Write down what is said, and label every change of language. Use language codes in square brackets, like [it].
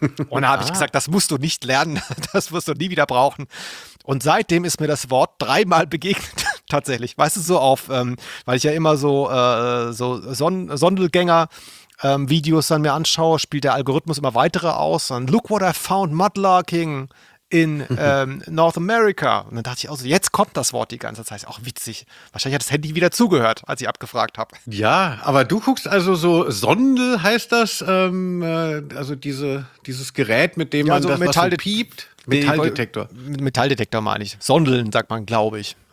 [de] Und da habe ich gesagt, das musst du nicht lernen, das wirst du nie wieder brauchen. Und seitdem ist mir das Wort dreimal begegnet. Tatsächlich, weißt du, so auf, weil ich ja immer so, so Sondelgänger Videos dann mir anschaue, spielt der Algorithmus immer weitere aus. [en] Und look what I found, mudlarking in North America. [de] Und dann dachte ich auch so, jetzt kommt das Wort die ganze Zeit. Auch witzig. Wahrscheinlich hat das Handy wieder zugehört, als ich abgefragt habe. Ja, aber du guckst also so, Sondel heißt das, also dieses Gerät, mit dem ja, man so das Metall, was so piept. Metalldetektor. Metalldetektor meine ich. Sondeln, sagt man, glaube ich.